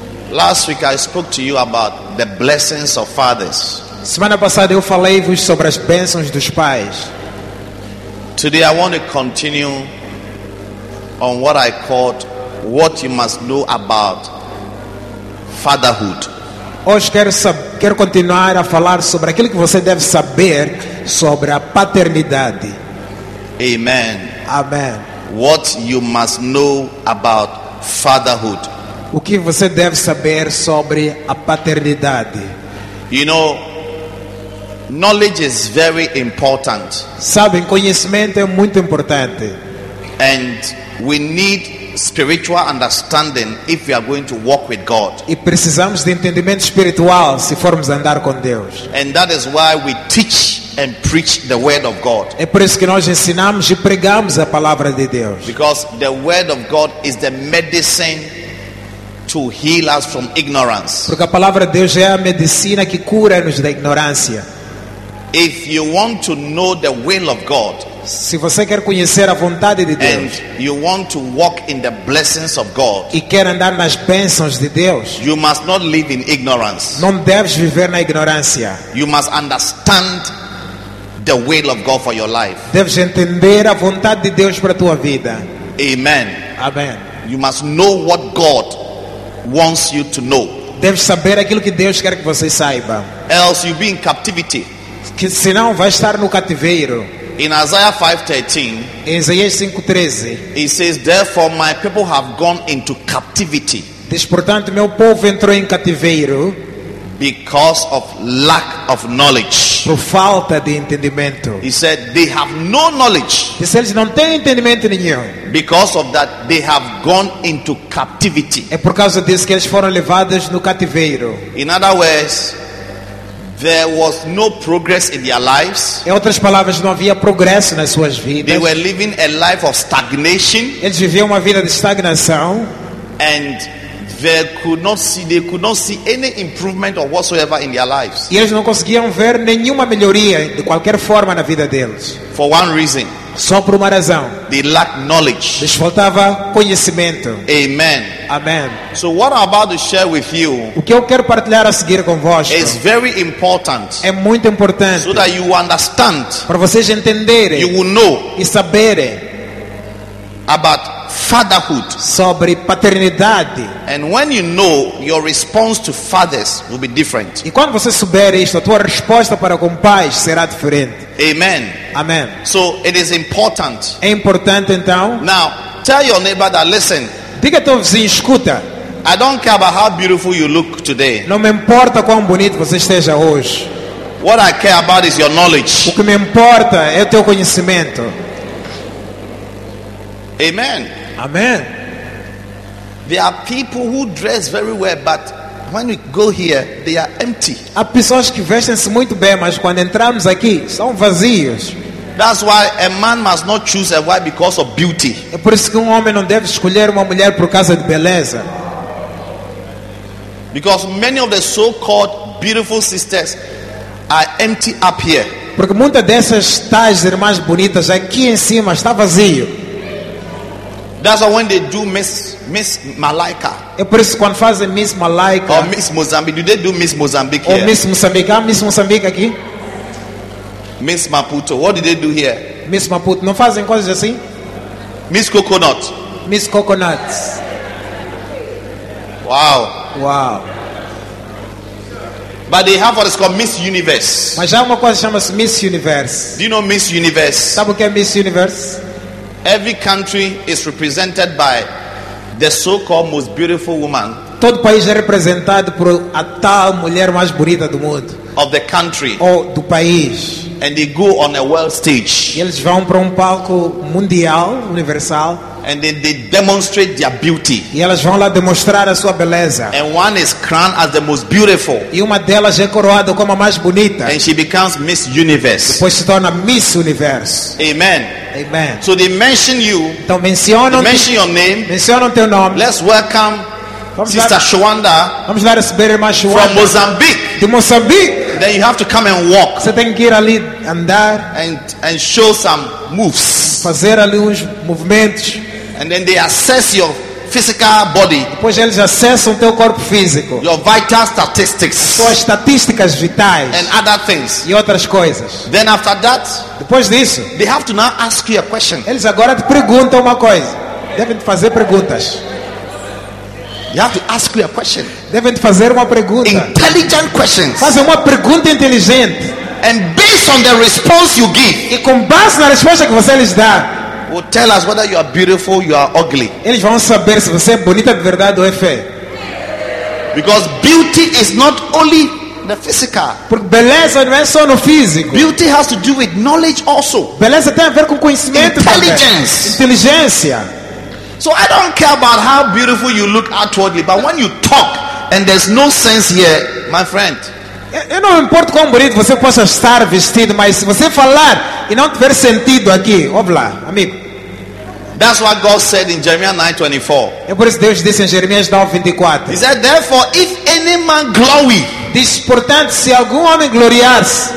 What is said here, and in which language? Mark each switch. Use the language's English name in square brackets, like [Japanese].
[English] Last week I spoke to you about the blessings of fathers. [Portuguese] Semana passada eu falei-vos sobre as bênçãos dos pais. [English] Today I want to continue on what I called what you must know about fatherhood. [Portuguese] Hoje quero continuar a falar sobre aquilo que você deve saber sobre a paternidade. [English] Amen. [Portuguese] Amen. [English] What you must know about fatherhood. [Portuguese] O que você deve saber sobre a paternidade? [English] You know, knowledge is very important. [Portuguese] Sabe, conhecimento é muito importante. [English] And we need spiritual understanding if we are going to walk with God. [Portuguese] E precisamos de entendimento espiritual se formos andar com Deus. [English] And that is why we teach and preach the word of God. [Portuguese] É por isso que nós ensinamos e pregamos a palavra de Deus. [English] Because the word of God is the medicine to heal us from ignorance. [Portuguese] Porque a palavra de Deus é a medicina que cura-nos da ignorância. [English] If you want to know the will of God, [Portuguese] se você quer conhecer a vontade de Deus, [English] and you want to walk in the blessings of God, [Portuguese] e quer andar nas bênçãos de Deus, [English] you must not live in ignorance. [Portuguese] Não deves viver na ignorância. [English] You must understand the will of God for your life. [Portuguese] Deves entender a vontade de Deus para a tua vida. [English] Amen. [Portuguese] Amen. [English] You must know what God wants you to know. [Portuguese] Deve saber aquilo que Deus quer que você saiba. [English] Else you'll be in captivity. [Portuguese] Senão vai estar no cativeiro. [English] In Isaiah 5:13. [Portuguese] Em Isaías 5:13. [English] It says, therefore my people have gone into captivity. [Portuguese] Diz, portanto, meu povo entrou em cativeiro. [English] Because of lack of knowledge. [Portuguese] por falta de entendimento. [English] He said they have no knowledge. [Portuguese] Disse, eles não têm entendimento nenhum. [English] Because of that they have gone into captivity. [Portuguese] É por causa disso que eles foram levados no cativeiro. [English] In other words, there was no progress in their lives. [Portuguese] Em outras palavras, não havia progresso nas suas vidas. [English] They were living a life of stagnation. [Portuguese] Eles viviam uma vida de estagnação. [English] And they could not see any improvement or whatsoever in their lives. [Portuguese] E eles não conseguiam ver nenhuma melhoria de qualquer forma na vida deles. [English] For one reason. [Portuguese] Só por uma razão. [English] They lacked knowledge. [Portuguese] Lhes faltava conhecimento. [English] Amen. [Portuguese] Amen. [English] So what I'm about to share with you, [Portuguese] o que eu quero partilhar a seguir convosco, [English] is very important. [Portuguese] É muito importante. [English] So that you understand. [Portuguese] Para vocês entenderem. [English] You will know. [Portuguese] E saberem. [English] About fatherhood, [Portuguese] sobre paternidade. [English] And when you know, your response to fathers will be different. [Portuguese] E quando você souber isto, a tua resposta para com pais será diferente. [English] Amen. [Portuguese] Amen. [English] So it is important. [Portuguese] É importante então. [English] Now, tell your neighbor that listen. [Portuguese] Diga ao teu vizinho, escuta. [English] I don't care about how beautiful you look today. [Portuguese] Não me importa quão bonito você esteja hoje. [English] What I care about is your knowledge. [Portuguese] O que me importa é o teu conhecimento. [English] Amen. [Portuguese] Amen. [English] There are people who dress very well, but when we go here, they are empty. [Portuguese] Há pessoas que vestem-se muito bem, mas quando entramos aqui, são vazios. [English] That's why a man must not choose a wife because of beauty. [Portuguese] É por isso que homem não deve escolher uma mulher por causa de beleza. [English] Because many of the so-called beautiful sisters are empty up here. [Portuguese] Porque muitas dessas tais irmãs bonitas aqui em cima está vazio. [English] That's why when they do Miss Malaika. [Portuguese] É por isso quando fazem Miss Malaika. [English] Or Miss Mozambique. Do they do Miss Mozambique here? [Portuguese] Ou Miss Moçambique. Miss Moçambique aqui. [English] Miss Maputo. What do they do here? [Portuguese] Miss Maputo. Não fazem coisas assim? [English] Miss Coconut. [Portuguese] Miss Coconut. [English] Wow. [Portuguese] Wow. [English] But they have what is called Miss Universe. [Portuguese] Mas há uma coisa que chama-se Miss Universe. [English] Do you know Miss Universe? [Portuguese] Sabe o que é Miss Universe? [English] Every country is represented by the so-called most beautiful woman. [Portuguese] Todo país é representado por a tal mulher mais bonita do mundo. [English] Of the country. [Portuguese] Ou do país. [English] And they go on a world stage. [Portuguese] E eles vão para palco mundial, universal. [English] And they demonstrate their beauty. [Portuguese] E elas vão lá demonstrar a sua beleza. [English] And one is crowned as the most beautiful. [Portuguese] E uma delas é coroada como a mais bonita. [English] And she becomes Miss Universe. [Portuguese] Depois se torna Miss Universo. [English] Amen. [Portuguese] Amen. [English] So they mention you. [Portuguese] Então mencionam. [English] They mention your name. [Portuguese] Mencionam teu nome. [English] Let's welcome [Portuguese] vamos [English] Sister Shwanda. [Portuguese] Vamos lá receber a irmã Shwanda. [English] From Mozambique. [Portuguese] De Moçambique. [English] Then you have to come and walk. [Portuguese] Você tem que ir ali andar. [English] And show some moves. [Portuguese] Fazer ali uns movimentos. [English] And then they assess your physical body. [Portuguese] Depois eles acessam teu corpo físico. [English] Your vital statistics. [Portuguese] Suas estatísticas vitais. [English] And other things. [Portuguese] E outras coisas. [English] Then after that. [Portuguese] Depois disso. [English] They have to now ask you a question. [Portuguese] Eles agora te perguntam uma coisa. Devem te fazer perguntas. [English] You have to ask you a question. [Portuguese] Devem te fazer uma pergunta. [English] Intelligent questions. [Portuguese] Fazer uma pergunta inteligente. [English] And based on the response you give. [Portuguese] E com base na resposta que você lhes dá. [English] Will tell us whether you are beautiful, you are ugly. [Portuguese] Eles vão saber se você é bonita de verdade ou é feia. [English] Because beauty is not only the physical. [Portuguese] Porque beleza não é só no físico. [English] Beauty has to do with knowledge also. [Portuguese] Beleza tem a ver com conhecimento. [English] Intelligence. [Portuguese] Também. Inteligência. [English] So I don't care about how beautiful you look outwardly, but when you talk and there's no sense here, my friend. [Portuguese] Eu não importo quão bonito você possa estar vestido, mas se você falar e não tiver sentido aqui, ouve lá, amigo. [English] That's what God said in Jeremiah 9:24. [Portuguese] É por isso que Deus disse em Jeremias 9:24. [English] He said, therefore, if any man glory, [Portuguese] diz, portanto, se algum homem gloriar-se,